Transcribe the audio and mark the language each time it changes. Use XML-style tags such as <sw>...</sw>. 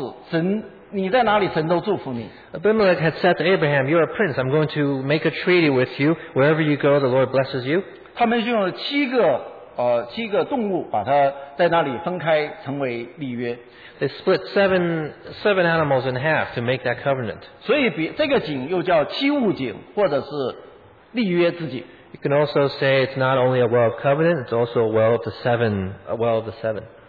<zh>这个亚比米勒上来跟亚伯拉罕说，我要跟你立约，因为你是那个大能的王子，神你在哪里，神都祝福你。</zh> <en>Abimelech had said to Abraham, "You're a prince. I'm going to make a treaty with you. Wherever you go, the Lord blesses you."</en> <zh>他们就用了七个。七个动物把它在那里分开成为立约。</zh> <en>They split seven animals in half to make that covenant.</en> <zh>所以这个井又叫七物井或者是立约之井。</zh> <en>You can also say it's not only a well of covenant, it's also a well of the seven.</en>